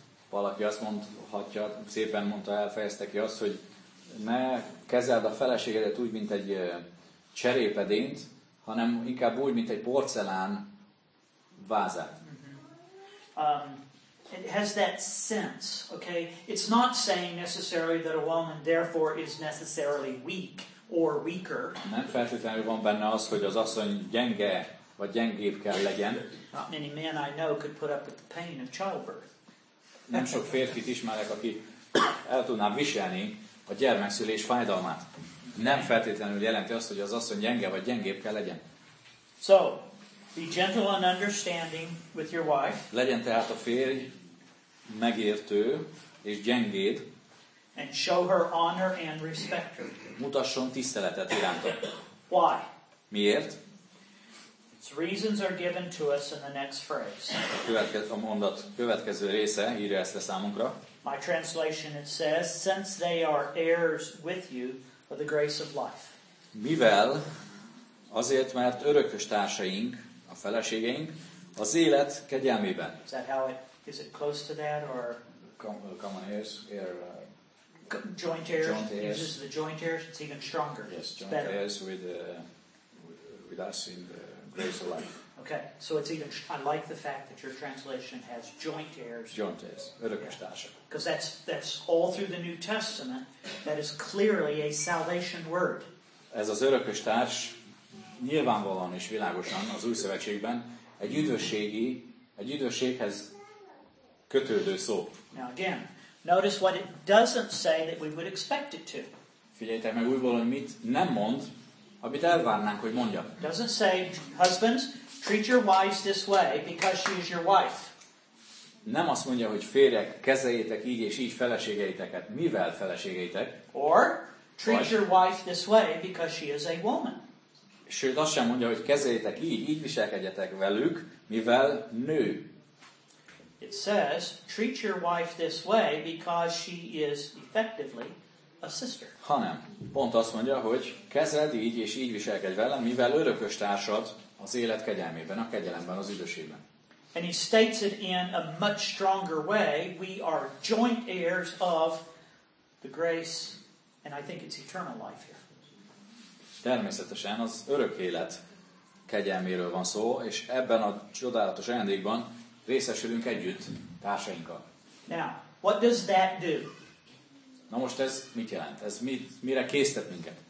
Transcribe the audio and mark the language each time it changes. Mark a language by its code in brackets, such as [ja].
[hu] Valaki azt mondhatja, szépen mondta, elfejezte ki azt, hogy ne kezeld a feleségedet úgy, mint egy cserépedényt, hanem inkább úgy, mint egy porcelán vázát. [en] Mm-hmm. It has that sense, okay? It's not saying necessarily that a woman therefore is necessarily weak or weaker. [hu] Nem feltétlenül van benne az, hogy az asszony gyenge vagy gyengébb kell legyen. [en] Not many men I know could put up with the pain of childbirth. [hu] Nem sok férfit ismerek, aki el tudná viselni a gyermekszülés fájdalmát. Nem feltétlenül jelenti azt, hogy az asszony gyenge vagy gyengébb kell legyen. [en] So, be gentle and understanding with your wife. [hu] Legyen tehát a férj megértő és gyengéd. [en] And show her honor and respect. [hu] Mutasson tiszteletet iránta. [en] Why? [hu] Miért? [en] Its reasons are given to us in the next phrase. [hu] A következő mondat következő része írja ezt le számunkra. [en] My translation it says, since they are heirs with you of the grace of life. [hu] Mivel azért, mert örökös társaink, a feleségeink, az élet kegyelmében. [en] Is that how it, is it close to that or? Common heirs, joint heirs. Joint heirs. Uses the joint heirs. It's even stronger. Yes, joint heirs with us in the grace of life. Okay, so it's even. I like the fact that your translation has joint heirs. Joint heirs, [hu] örökös társaink. [en] Because that's all through the New Testament. That is clearly a salvation word. [hu] Ez az örökös társ. Nyilvánvalóan és világosan az Új Szövetségben egy üdvösségi, egy üdvösséghez kötődő szó. [en] Now again, notice what it doesn't say that we would expect it to. [hu] Figyeljétek meg újból, hogy mit nem mond, amit elvárnánk, hogy mondja. [en] Doesn't say, husbands, treat your wives this way because she is your wife. [hu] Nem azt mondja, hogy férjek, kezeljétek így és így feleségeiteket, mivel feleségeitek. [en] Or, treat your wife this way because she is a woman. [hu] Sőt, azt sem mondja, hogy kezeljétek így, így viselkedjetek velük, mivel nő. [en] It says, treat your wife this way because she is effectively a sister. [hu] Hanem, pont azt mondja, hogy kezeld így és így viselkedj vele, mivel örökös társad az élet kegyelmében, a kegyelemben, az üdvösségben. [en] And he states it in a much stronger way, we are joint heirs of the grace, and I think it's eternal life here. [hu] Természetesen az örök élet kegyelméről van szó, és ebben a csodálatos ajándékban részesülünk együtt társainkkal. [en] Now, what does that do? [hu] Na most ez mit jelent? Ez mit, mire késztet minket?